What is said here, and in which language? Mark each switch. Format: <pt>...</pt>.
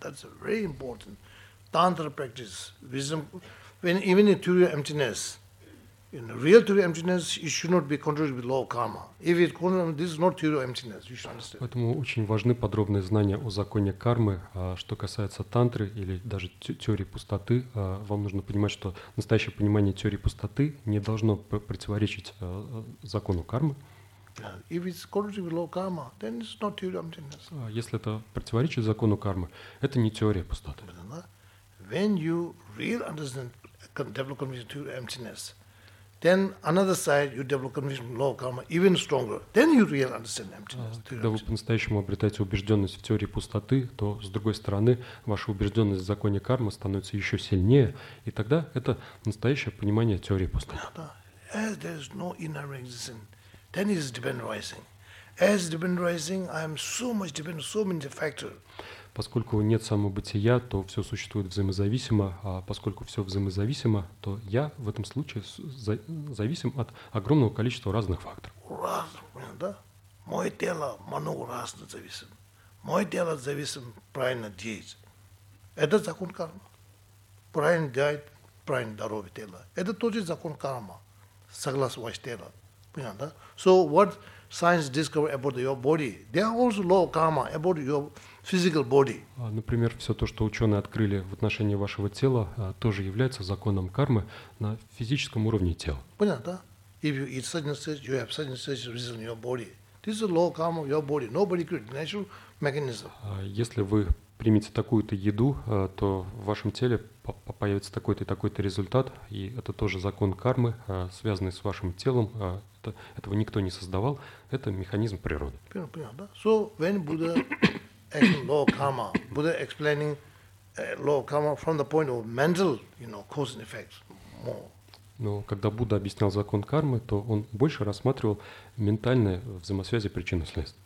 <en>That's very important. Tantra practice, wisdom, when even in true emptiness, in real true emptiness, it should not be controlled with law of karma. If it this is not true emptiness, you should understand.</en> <ru>Поэтому очень важны подробные знания о законе кармы, что касается тантры или даже теории пустоты. Вам нужно понимать, что настоящее понимание теории пустоты не должно противоречить закону кармы.</ru> <en>If it's contrary to law of karma, then it's not true emptiness.</en> <ru>Если это противоречит закону кармы, это не теория пустоты.</ru> <en>When you really understand develop conviction to emptiness, then another side you develop conviction law of karma even stronger. Then you really understand emptiness.</en> <ru>Когда вы по-настоящему обретаете убежденность в теории пустоты, то с другой стороны ваша убежденность в законе кармы становится еще сильнее, и тогда это настоящее понимание теории пустоты.</ru> <en>As there's no inner existence, then is dependent arising. As dependent arising, I am so much dependent, so many factors.</en> <ru>Поскольку нет самобытия, то все существует взаимозависимо, а поскольку все взаимозависимо, то я в этом случае зависим от огромного количества разных факторов. Разных, да? Мое тело много раз зависит. Мое тело зависит правильно действовать. Это закон кармы. Правильно делать, правильно здоровье тела. Это тоже закон кармы, согласно ваше тело. Понятно, да?</ru> <en>So what science discovered about your body, there are also law of karma about your physical body.</en> <ru>Например, все то, что ученые открыли в отношении вашего тела, тоже является законом кармы на физическом уровне тела. Понятно, да?</ru> <en>If you eat certain things, you have certain things within your body. This is the law of karma of your body. Nobody could natural mechanism.</en> <ru>Если вы примите такую-то еду, то в вашем теле появится такой-то и такой-то результат, и это тоже закон кармы, связанный с вашим телом. Этого никто не создавал. Это механизм природы. Понятно, да?</ru> <en>So when Buddha explained law of karma, Buddha explaining law of karma from the point of mental, you know, cause and effect more.</en> <ru>Но когда Будда объяснял закон кармы, то он больше рассматривал ментальные взаимосвязи причин и следствий.</ru>